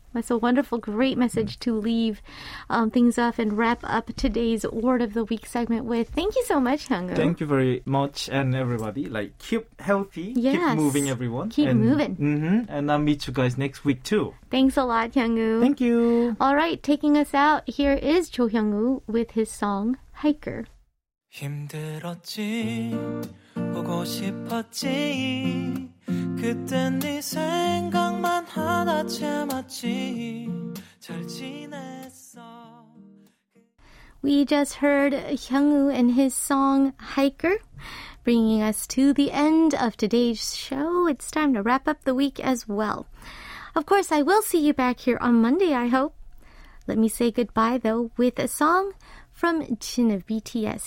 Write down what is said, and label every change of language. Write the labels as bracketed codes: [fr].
[en] That's a wonderful, great message to leave things off and wrap up today's Word of the Week segment with. Thank you so much, Hyungwoo. Thank you very much, and everybody. Like, keep healthy. Yes. Keep moving, everyone. Keep moving. Mm-hmm, and I'll meet you guys next week, too. Thanks a lot, Hyungwoo. Thank you. All right, taking us out, here is Cho Hyungwoo with his song, Hiker. [ko] 힘들었지, 보고 싶었지 그땐 네 생각만 하나 참았지 잘 지냈어. [en] We just heard Hyungwoo and his song Hiker, bringing us to the end of today's show. It's time to wrap up the week as well. Of course, I will see you back here on Monday, I hope. Let me say goodbye, though, with a song from Jin of BTS.